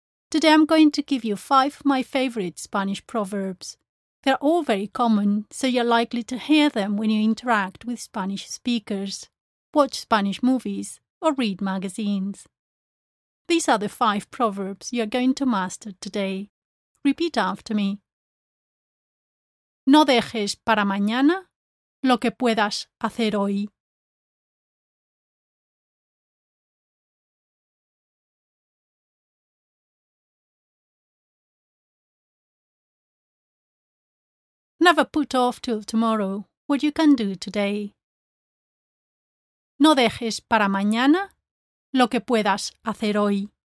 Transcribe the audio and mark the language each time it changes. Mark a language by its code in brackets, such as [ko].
[en] Today I'm going to give you 5 of my favourite Spanish proverbs. They're all very common, so you're likely to hear them when you interact with Spanish speakers, watch Spanish movies, or read magazines. These are the 5 proverbs you're going to master today. Repeat after me. [es] No dejes para mañana lo que puedas hacer hoy. [en] Never put off till tomorrow what you can do today. [es] No dejes para mañana lo que puedas hacer hoy.